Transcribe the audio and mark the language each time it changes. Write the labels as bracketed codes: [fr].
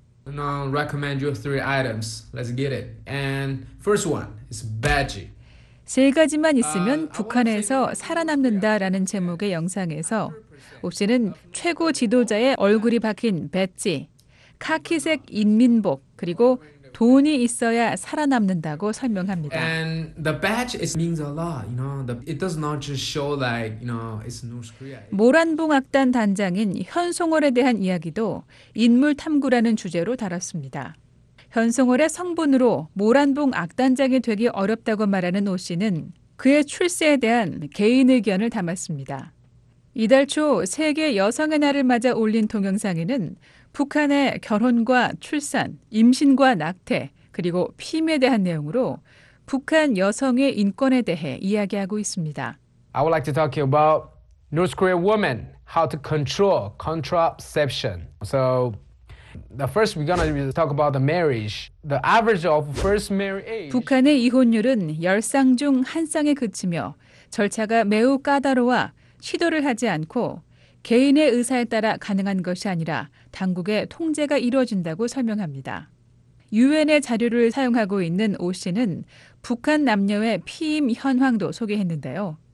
[en] And I recommend you three items. Let's get it. And first one is badge. [ko] 세 가지만 있으면 북한에서 살아남는다라는 제목의 영상에서 오 씨는 최고 지도자의 얼굴이 박힌 배지, 카키색 인민복 그리고 돈이 있어야 살아남는다고 설명합니다. [en] And the badge is means a lot, you know. It does not just show like, you know, it's North Korea. [ko] 모란봉 악단 단장인 현송월에 대한 이야기도 인물 탐구라는 주제로 다뤘습니다. 현송월의 성분으로 모란봉 악단장이 되기 어렵다고 말하는 오 씨는 그의 출세에 대한 개인 의견을 담았습니다. 이달 초 세계 여성의 날을 맞아 올린 동영상에는 북한의 결혼과 출산, 임신과 낙태, 그리고 피임에 대한 내용으로 북한 여성의 인권에 대해 이야기하고 있습니다. [en] I would like to talk about North Korean women, how to control contraception. So the first we're going to talk about the marriage. The average of first marriage age. [ko] 북한의 이혼율은 10쌍 중 1쌍에 그치며 절차가 매우 까다로워 시도를 하지 않고 개인의 의사에 따라 가능한 것이 아니라 당국의 통제가 이루어진다고 설명합니다. 유엔의 자료를 사용하고 있는 오 씨는 북한 남녀의 피임 현황도 소개했는데요.